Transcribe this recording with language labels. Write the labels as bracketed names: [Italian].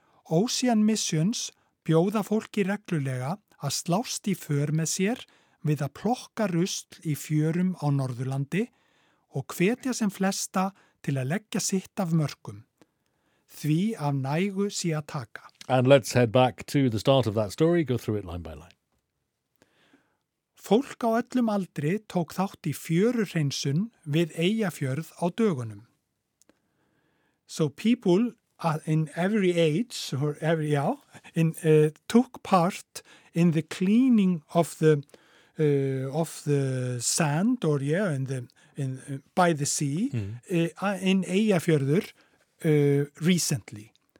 [Icelandic] Ocean Missions bjóða fólki reglulega að slást í för með sér við að plokka rusl í fjörum á Norðurlandi og hvetja sem flesta til að leggja sitt af mörkum. Því af nægu sé að taka. [English] And let's head back to the start of that story, go through it line by line. [Icelandic] Fólk á öllum aldri tók þátt í fjöruhreinsun við Eyjafjörð á dögunum. [English] So people in every age or every took part in the cleaning of the sand or by the sea in Eyjafjörður recently.